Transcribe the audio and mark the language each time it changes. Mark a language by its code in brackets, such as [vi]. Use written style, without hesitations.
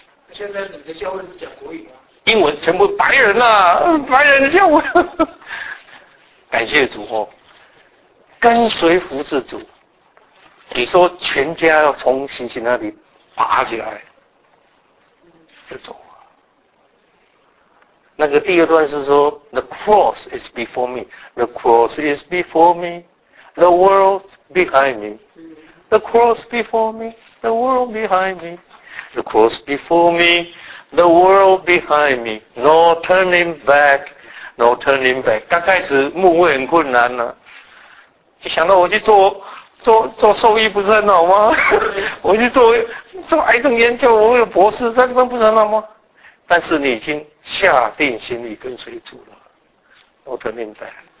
[zh] 现在你的教会是讲国语吗？英文全部白人呐、白人教会。感谢主哦，跟随服侍主。你说全家要从星星那里拔起来，就走了。那个第二段是说 [en] The cross is before me, The cross is before me, The world behind me, The cross before me, The world behind me, The cross before me, The world behind me, No turning back, No turning back. [zh] 刚开始牧会很困难啊，就想到我去做兽医不是很好吗？我去做癌症研究，我有博士在这边不是很好吗？但是你已经下定心意跟随主了 ， [en] Not turning back。